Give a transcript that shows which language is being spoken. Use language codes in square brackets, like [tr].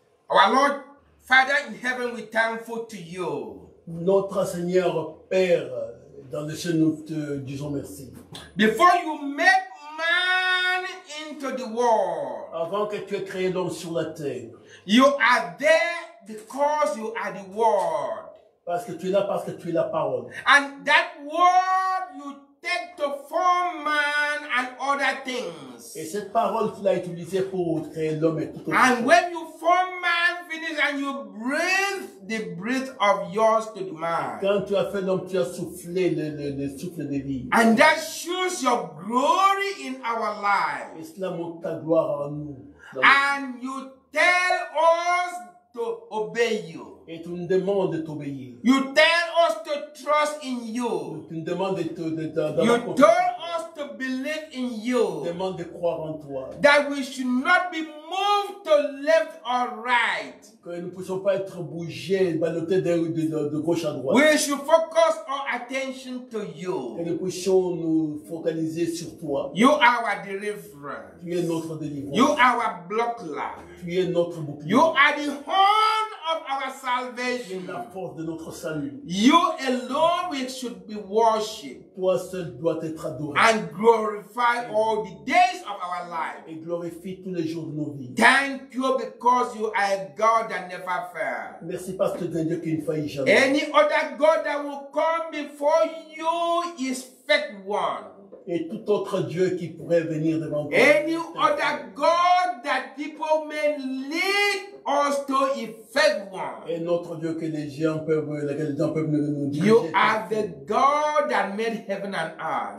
[en] Our Lord, Father in heaven, we thankful to you. [fr] Notre Seigneur Père, dans le ciel, nous te disons merci. [en] Before you made man into the world, [fr] avant que tu aies créé l'homme sur la terre, [en] you are there because you are the Word. [fr] Parce que tu es là parce que tu es la parole. [en] And that Word you take to form man and other things. [fr] Et cette parole tu l'as utilisée pour créer l'homme et tout. [en] And when you form man, finish, and you breathe the breath of yours to the man. [fr] Quand tu as fait l'homme, tu as soufflé le souffle de vie. [en] And that shows your glory in our life. [fr] Et cela montre ta gloire en nous. [en] And you tell us to obey you. [fr] Et tu nous demandes de t'obéir. [en] You tell us to trust in you. [fr] Tu nous demandes [en] You tell us to believe in you. [fr] Demande de croire en toi. [en] That we should not be moved to left or right. [fr] Que nous ne puissions pas être bougés, balottés de gauche à droite. [en] We should focus our attention to you. [fr] Que nous puissions nous focaliser sur toi. [en] You are our deliverer. [fr] Tu es notre délivrance. [en] You are our bouclier. [fr] Tu es notre bouclier. [en] You are the horn of our salvation. [fr] La force de notre salut. [en] You alone we should be worshipped. [fr] Toi seul dois être adoré. [en] And glorify all the days of our life. [fr] Et glorifie tous les jours de nos vies. [en] Thank you because you are a God that never fails. [fr] Merci parce que tu es un Dieu qui ne faillit jamais. [en] Any other God that will come before you is fake one. [fr] Et tout autre Dieu qui pourrait venir devant toi. [en] Any other God that people may lead us to is fake one. [fr] Et notre Dieu que les gens peuvent nous dire. [en] You are the God that made heaven and earth.